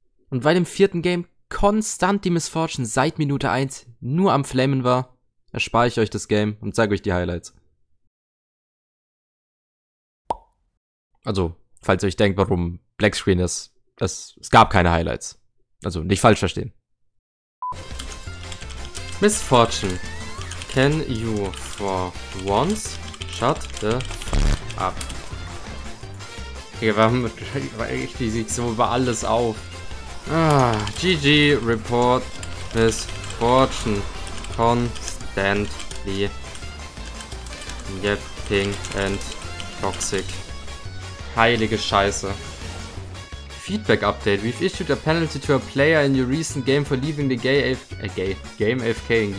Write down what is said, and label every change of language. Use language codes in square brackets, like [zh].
[de] Und weil im vierten Game konstant die Miss Fortune seit Minute 1 nur am Flamen war, erspare ich euch das Game und zeige euch die Highlights. Also, falls ihr euch denkt, warum Black Screen ist, es gab keine Highlights. Also, nicht falsch verstehen. [en] Miss Fortune, can you for once shut the up? [de] Digga, warum reicht die sich so über alles auf? [en] Ah, GG, report Miss Fortune constantly yapping and toxic. [de] Heilige Scheiße. [en] Feedback Update. We've issued a penalty to a player in your recent game for leaving the gay game AFK.